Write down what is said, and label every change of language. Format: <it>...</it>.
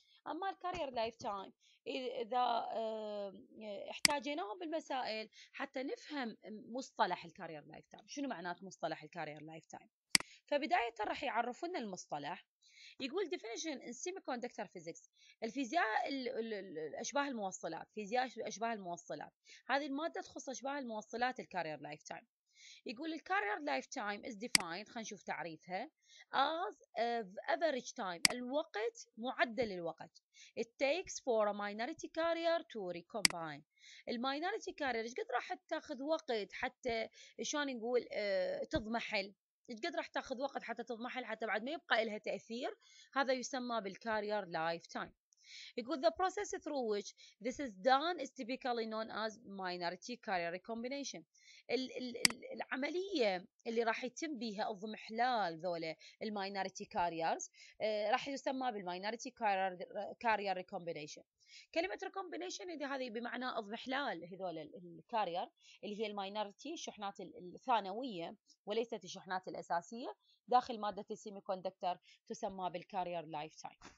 <ar>اما الكارير لايف تايم اذا احتاجيناهم بالمسائل حتى نفهم مصطلح الكارير لايف تايم، شنو معنات مصطلح الكارير لايف تايم؟ فبدايه راح يعرفونا المصطلح. يقول definition in semiconductor physics، الفيزياء الأشباه الموصلات، فيزياء أشباه الموصلات، هذه المادة تخص أشباه الموصلات الكارير لايف تايم.</ar> <en>يقول الكارير life time is defined، خلينا نشوف تعريفها، as of average time، الوقت معدل الوقت it takes for a minority carrier to recombine.</en> <ar>الماينوريتي كارير ايش قد راح تاخذ وقت حتى شلون نقول تضمحل، قد راح تاخذ وقت حتى تضمحل حتى بعد ما يبقى لها تاثير، هذا يسمى بالكارير لايف تايم.</ar> <en>يقول the process through which this is done is typically known as minority carrier recombination.</en> <ar>العملية اللي راح يتم بها الضمحلال ذولا الماينوريتي كاريرز راح يسمى بالماينوريتي كارير ريكومبينيشن. كلمة ريكومبينيشن اذا هذه بمعنى اضمحلال هذول الكارير اللي هي الماينوريتي الشحنات الثانوية وليست الشحنات الأساسية داخل مادة السيمي كوندكتر تسمى بالكارير لايف تايم.</ar>